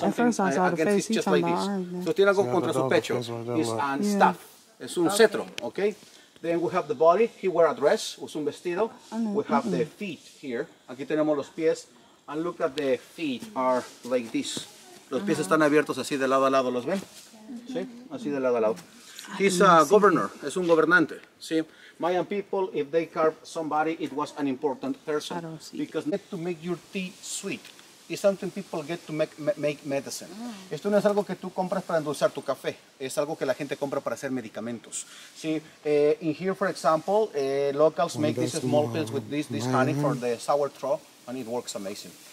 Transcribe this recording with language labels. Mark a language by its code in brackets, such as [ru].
[en] At first I saw the face, he's like this. So [es] tiene algo contra su pecho. [en] He's on staff. [es] Es un cetro, [en] okay? Then we have the body. He wear a dress. [es] Es un vestido. [en] We have the feet here. [es] Aquí tenemos los pies. [en] And look at the feet are like this. [es] Los pies están abiertos así de lado a lado. ¿Los ven? Sí, así de lado a lado. [en] He's a governor. [es] Es un gobernante. Sí. [en] Mayan people, if they carve somebody, it was an important person. Because need to make your tea sweet. Is something people get to make medicine. Oh. [es] Esto no es algo que tú compras para endulzar tu café. Es algo que la gente compra para hacer medicamentos. Sí. [en] In here, for example, locals make these small pills with this honey for the sour throat, and it works amazing.